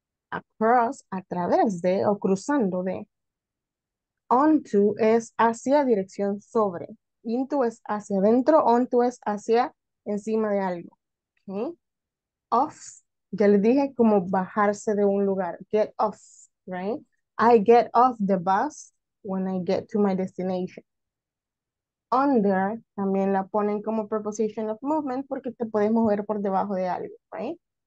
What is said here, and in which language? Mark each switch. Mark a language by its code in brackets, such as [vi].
[es] Across, a través de o cruzando de. Onto es hacia, dirección sobre. Into es hacia adentro. Onto es hacia encima de algo. Okay. Off, ya les dije, como bajarse de un lugar. [en] Get off, right? I get off the bus when I get to my destination. [es] Under, también la ponen como preposition of movement porque te puedes mover por debajo de algo, right?